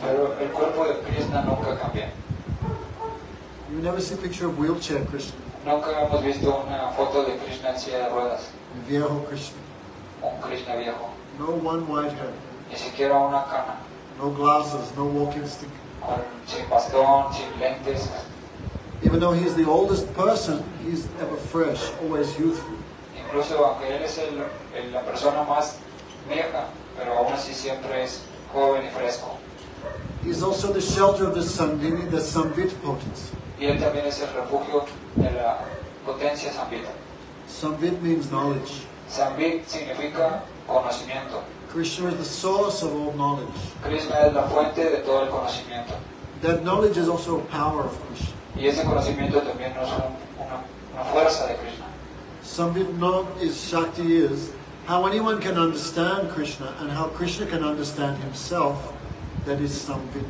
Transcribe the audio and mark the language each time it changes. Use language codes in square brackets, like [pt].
[es] Pero el cuerpo de Krishna nunca cambia. [en] You never see a picture of wheelchair Krishna. [es] Nunca hemos visto una foto de Krishna en silla de ruedas. El viejo Krishna. Un Krishna viejo. [en] No one white hair. [es] Ni siquiera una cana. [en] No glasses, no walking stick. [es] Sin bastón, sin lentes. [en] Even though he's the oldest person, he's ever fresh, always youthful. [es] Incluso aunque él es la persona más vieja, pero aún así siempre es joven y fresco. [en] He's also the shelter of the Sandini, the Sambit potence. [es] Y él también es el refugio de la potencia Sambita. [en] Sambit means knowledge. [es] Sambit significa conocimiento. [en] Krishna is the source of all knowledge. [es] Krishna es la fuente de todo el conocimiento. [en] That knowledge is also a power of Krishna. [es] Y ese conocimiento también no es una fuerza de Krishna. [en] Sambit not is Shakti is how anyone can understand Krishna and how Krishna can understand himself, that is Sambit.